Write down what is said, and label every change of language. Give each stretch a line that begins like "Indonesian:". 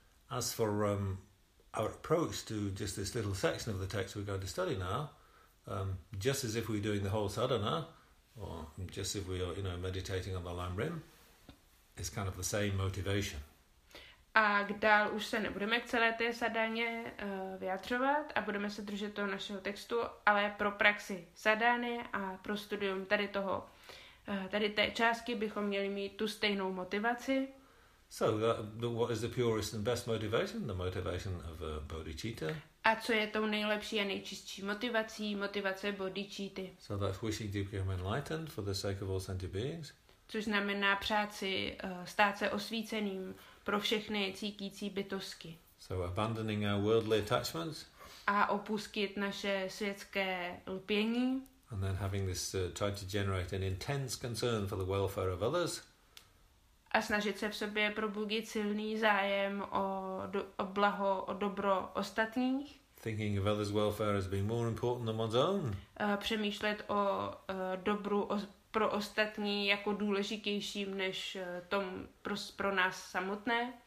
English: As for our approach to just this little section of the text we're going to study now, just as if we're doing the whole sadhana, or just if we are, you know, meditating on the Lam Rim, it's kind of the same motivation.
Czech: A dál už se nebudeme k celé té sadáně vyjadřovat a budeme se držet toho našeho textu, ale pro praxi sadány a pro studium tady té částky bychom měli mít tu stejnou motivaci.
English: So what is the purest and best motivation? The motivation of a bodhicitta.
Czech: A co je tou nejlepší a nejčistší motivací? Motivace bodhicitty.
English: So that's wishing to become enlightened for the sake of all sentient beings.
Czech: Což znamená přát si stát se osvíceným pro všechny cítící bytosti.
English: So abandoning our worldly attachments.
Czech: A opustit naše světské lpění.
English: And then having this try to generate an intense concern for the welfare of others.
Czech: A snažit se v sobě probudit silný zájem o blaho, o dobro ostatních.
English: Thinking of others' welfare as being more important than one's own.
Czech: Přemýšlet o dobru pro ostatní jako důležitějším než tom pro nás samotné.